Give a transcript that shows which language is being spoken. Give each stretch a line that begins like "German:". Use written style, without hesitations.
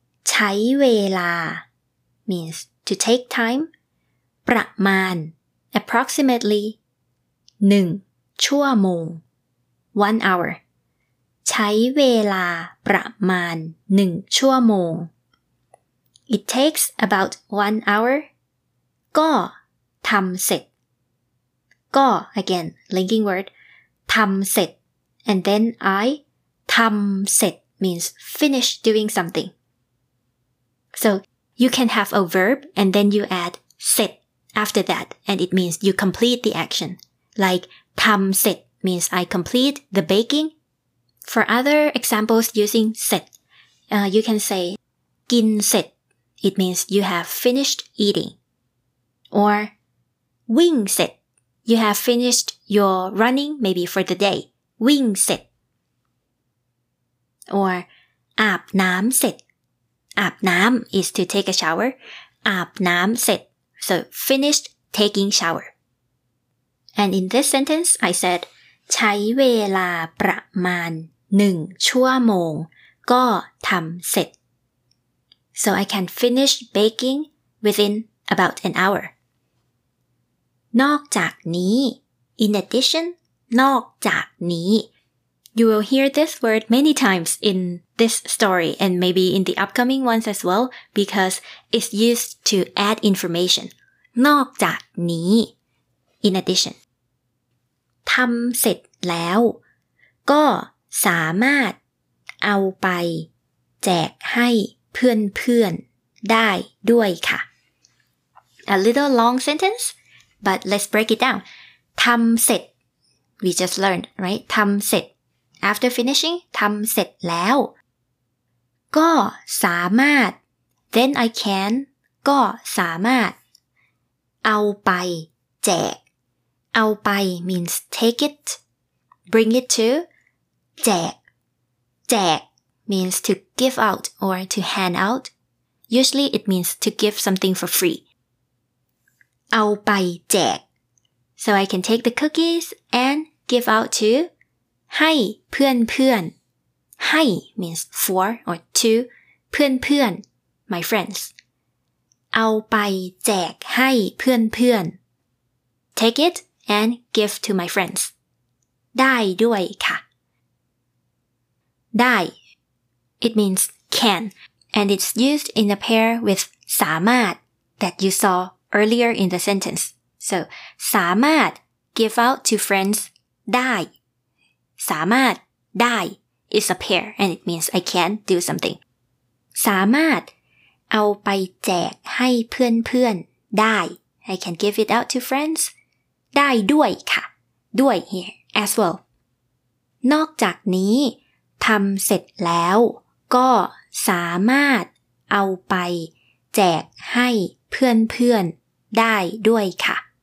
English: ใช้เวลา means to take time ประมาณ approximately 1ชั่วโมง 1 hour
Thai: ใช้เวลาประมาณ1ชั่วโมง
English: It takes about 1 hour. ก็ทำเสร็จ ก็ again linking word ทำเสร็จ and then I ทำเสร็จ means finish doing something. So you can have a verb and then you add เสร็จ after that and it means you complete the action. Like ทำเสร็จ means I complete the baking. For other examples using เสร็จ you can say กินเสร็จIt means you have finished eating. Or, วิ่งเสร็จ You have finished your running, maybe for the day.
Thai: วิ่งเสร็จ Or, อาบน้ำเสร็จ อาบน้ำ is to take a shower.
English: อาบน้ำเสร็จ So, finished taking shower. And in this sentence, I said,
Thai: ใช้เวลาประมาณ1ชั่วโมงก็ทำเสร็จ
English: So I can finish baking within about an hour. นอกจากนี้ In addition, นอกจากนี้ You will hear this word many times in this story and maybe in the upcoming ones as well because it's used to add information.
Thai: นอกจากนี้ In addition. ทำเสร็จแล้วก็สามารถเอาไปแจกให้เพื่อนเพื่อนได้ด้วยค่ะ
English: A little long sentence, but let's break it down. ทำเสร็จ we just learned, right?
Thai: ทำเสร็จ
English: after finishing,
Thai: ทำเสร็จแล้วก็สามารถ then I can ก็สามารถเอาไปแจก
English: เอาไป means take it, bring it to, แจกแจก means to give out or to hand out. Usually it means to give something for free. เอาไปแจก So I can take the cookies and give out to
Thai: ให้เพื่อนเพื่อน
English: ให้ means for or to เพื่อนเพื่อน my friends.
Thai: เอาไปแจกให้เพื่อนเพื่อน
English: Take itAnd give to my friends.
Thai: ได้ด้วยค่ะ ได้ It means can.
English: And it's used in a pair with สามารถ that you saw earlier in the sentence. So, สามารถ give out to friends ได้ สามารถ ได้ is a pair and it means I can do something.
Thai: สามารถ เอาไปแจกให้เพื่อนเพื่อน ได้
English: I can give it out to friends
Thai: ได้ด้วยค่ะด้วย here as well นอกจากนี้ทำเสร็จแล้วก็สามารถเอาไปแจกให้เพื่อนๆได้ด้วยค่ะ